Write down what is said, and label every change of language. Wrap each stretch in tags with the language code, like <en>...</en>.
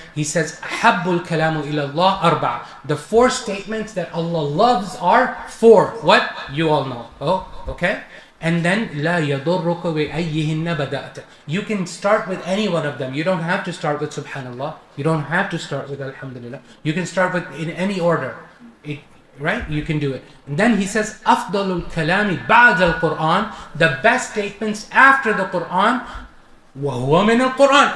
<en>He says,</en> <ar>أحب الكلام إلى الله أربعة.</ar> <en>The four statements that Allah loves are four. What? You all know. Oh, okay? And then,</en> <ar>لا يضرك بأيهن بدأت.</ar> <en>You can start with any one of them. You don't have to start with Subhanallah. You don't have to start with Alhamdulillah. You can start with in any order. Right? You can do it. And then he says,</en> <ar>أفضل الكلام بعد القرآن,</ar> <en>the best statements after the Quran,</en> <ar>وهو من القرآن.</ar>